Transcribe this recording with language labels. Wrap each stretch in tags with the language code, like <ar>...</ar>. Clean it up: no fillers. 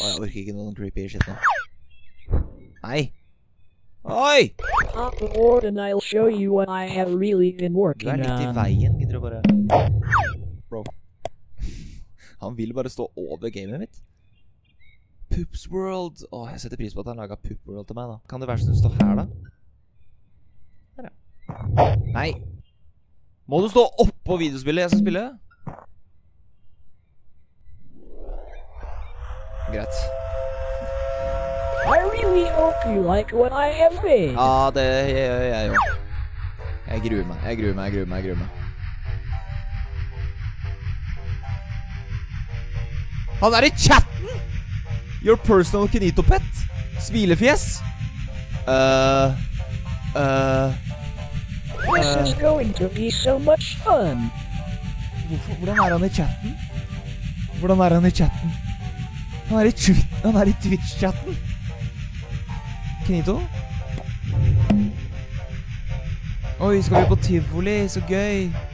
<no>Oi, jeg orker ikke noen</no> <en>creepy shit</en> <no>nå. Nei. Oi!</no> <en>Hop aboard and I'll show you what I have really been working on.</en> <no>Du er litt i veien, gidder du bare... Bro. Han vil bare stå over gamet mitt. Poops World. Åh, jeg setter pris på at han laget Poop World til meg da. Kan det være sånn at du står her da? Her ja. Nei! Må du stå opp på videospillet jeg skal spille? Greit.</no> <en>I really hope you like what I have made.</en> <no>Ja, det gjør jeg jo. Jeg gruer meg. Han er i chatten!</no> <en>Your personal Kenito pet?</en> <no>Smilefjes?</no> <en>This is going to be so much fun.</en> <no>Hvordan er han i chatten? Han er i Twitch-chatten. Kenito? Oi, skal vi på Tivoli? Så gøy!</no>